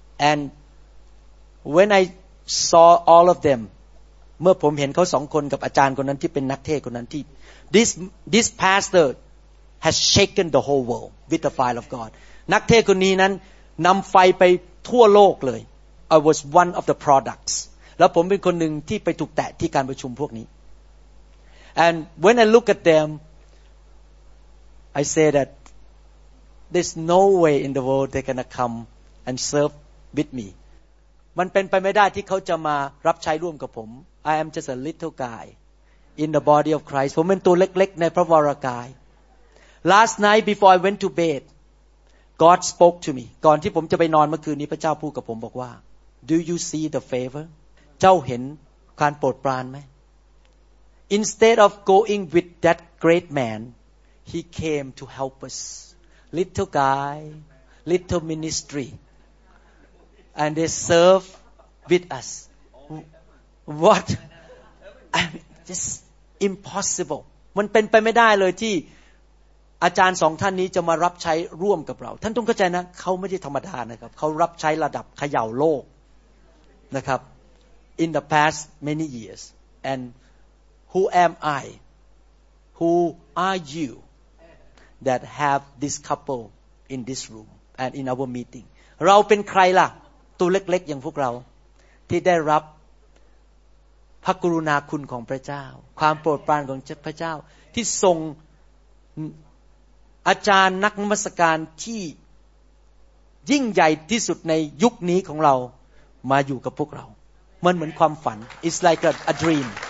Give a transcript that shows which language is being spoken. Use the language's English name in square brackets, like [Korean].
[English] And when I saw all of them, [Thai] เมื่อผมเห็นเขาสองคนกับอาจารย์คนนั้นที่เป็นนักเทศคนนั้นที่ [English] this pastor has shaken the whole world with the fire of God [Thai] นักเทศคนนี้นั้นนำไฟไปทั่วโลกเลย [English] I was one of the products [Thai] แล้วผมเป็นคนหนึ่งที่ไปถูกแตะที่การประชุมพวกนี้ [English] and when I look at them I say that there's no way in the world they're gonna come and serve with me. [Thai] มันเป็นไปไม่ได้ที่เขาจะมารับใช้ร่วมกับผม [English] I am just a little guy in the body of Christ. [Thai] ผมเป็นตัวเล็กๆในพระวรกาย [English] Last night before I went to bed, God spoke to me. [Thai] ก่อนที่ผมจะไปนอนเมื่อคืนนี้พระเจ้าพูดกับผมบอกว่า [English] Do you see the favor? [Thai] เจ้าเห็นการโปรดปรานไหม [English] Instead of going with that great man, he came to help us. Little guy, little ministry. And they serve with us. What? Just impossible. [Thai] มันเป็นไปไม่ได้เลยที่อาจารย์สองท่านนี้จะมารับใช้ร่วมกับเราท่านต้องเข้าใจนะเขาไม่ใช่ธรรมดานะครับเขารับใช้ระดับเขย่าโลกนะครับ [English] In the past many years. And who am I? Who are you that have this couple in this room and in our meeting? [Thai] เราเป็นใครล่ะตัวเล็กๆอย่างพวกเราที่ได้รับพระกรุณาคุณของพระเจ้าความโปรดปรานของพระเจ้าที่ส่งอาจารย์นักนมัสการที่ยิ่งใหญ่ที่สุดในยุคนี้ของเรามาอยู่กับพวกเรามันเหมือนความฝัน [English] It's like a dream